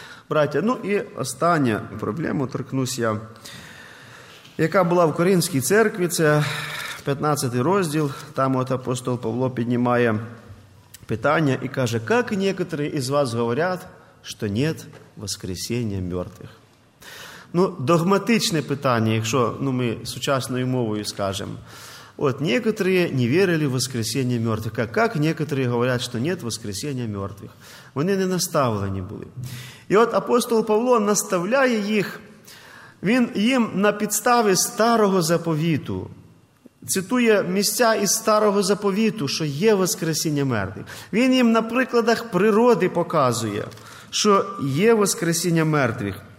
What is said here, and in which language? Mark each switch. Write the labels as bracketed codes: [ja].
[uk] Браття, ну і остання проблема, торкнусь я, яка була в Коринській церкві, це 15 розділ, там от апостол Павло піднімає питання і каже, як некоторі із вас говорять, що нет воскресіння мертвих. Ну, догматичне питання, якщо, ну, ми сучасною мовою скажемо. [ru] Вот некоторые не верили в воскресение мертвых, как некоторые говорят, что нет воскресения мертвых. Они не наставлены были. И вот [uk] апостол Павло наставляє їх, він їм на підставі старого заповіту цитує місця із старого заповіту, що є воскресіння мертвих. Він їм на прикладах природи показує, що є воскресіння мертвих.